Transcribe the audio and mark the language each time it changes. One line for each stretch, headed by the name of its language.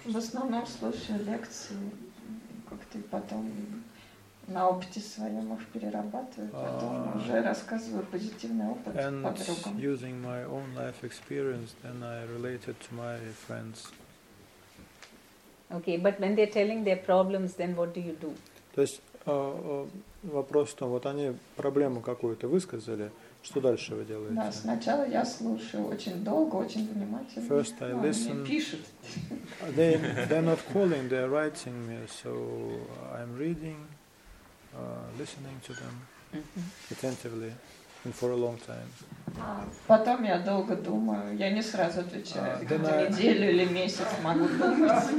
Russian: В основном слушаю лекции, как ты потом на опыте своем их перерабатываю, потом уже рассказываю позитивный опыт подругам.
English: And using my own life experience, then I relate it to my friends. Okay, but when they're telling their problems, then what do you do?
Russian: То есть вопрос в том, вот они проблему какую-то высказали, что дальше вы делаете? Да, сначала я слушаю очень долго, очень внимательно.
English: First I listen.
Russian: Они пишут.
English: They're not calling, they're writing me, so I'm reading, listening to them attentively. And for a long time.
Russian: Потом я долго думаю, я не сразу отвечаю. Неделю или месяц могу думать.